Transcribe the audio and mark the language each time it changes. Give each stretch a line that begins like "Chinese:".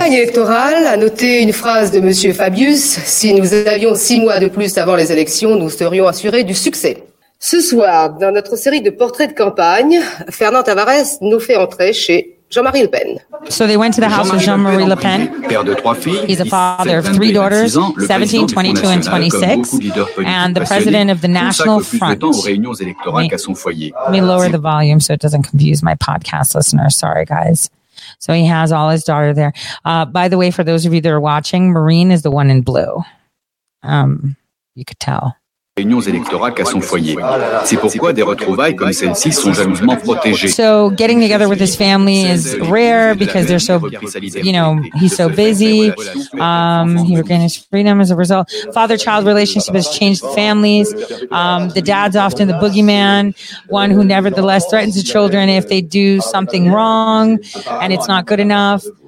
French: Campagne électorale a noté une phrase de Monsieur Fabius. Si nous avions six mois de plus avant les élections, nous serions assurés du succès. Ce soir, dans notre série de portraits de campagne, Fernand Tavares nous fait entrer chez Jean-Marie Le Pen.
English: So they went to the house of Jean-Marie Le Pen.
French: Père de trois filles.
English: He's a father of three daughters, 17, 22, and 26. And the president of the National Front. Let me lower the volume so it doesn't confuse my podcast listeners. Sorry, guys. So he has all his daughter there. By the way, for those of you that are watching, Marine is the one in blue. You could tell.
French: Réunions électorales à son foyer. C'est pourquoi des retrouvailles comme celle-ci sont jalousement protégées.
English: So getting together with his family is rare because they're so, you know, he's so busy. He regained his freedom as a result. Father-child relationship has changed families. The dad's often the boogeyman, one who nevertheless threatens the children if they do something wrong and it's not good enough.